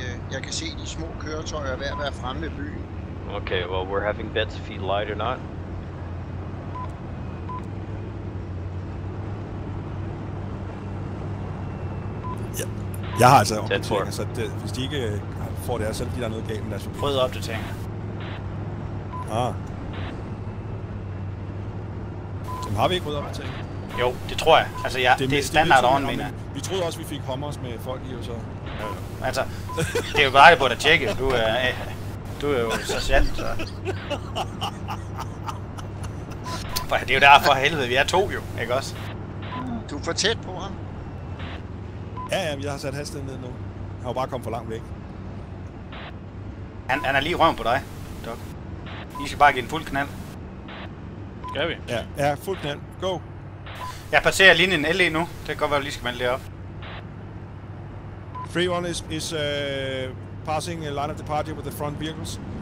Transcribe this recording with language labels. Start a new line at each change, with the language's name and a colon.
Danish: Jeg kan se, de små køretøjer ved at være fremme ved byen.
English: Okay, well, we're having bets if he lied or not.
Danish: Ja, Jeg har altså opdateringer, så det, hvis de ikke får det her, så er det, der er noget galt, men lad os få prøvet opdateringer. Ah. Jamen har vi ikke prøvet opdateringer? Jo, det tror jeg. Altså ja, det er standard oven, mener jeg. Vi troede også, vi fik hummers med folk i, og så... Altså, det er jo bare det på at tjekke. Du er jo sergeant, så... For det er jo derfor helvede, vi er to jo, ikke også? Du er for tæt på ham. Ja, ja, jeg har sat hastigheden ned nu. Han har bare kommet for langt væk. Han er lige røven på dig, Doc. I skal bare give en fuld knald. Skal vi? Ja, ja, fuld knald. Go! Jeg passerer lige en LE nu. Det kan godt være, at vi lige skal vende lidt op.
English: 3-1 is passing a line of departure with the front vehicles.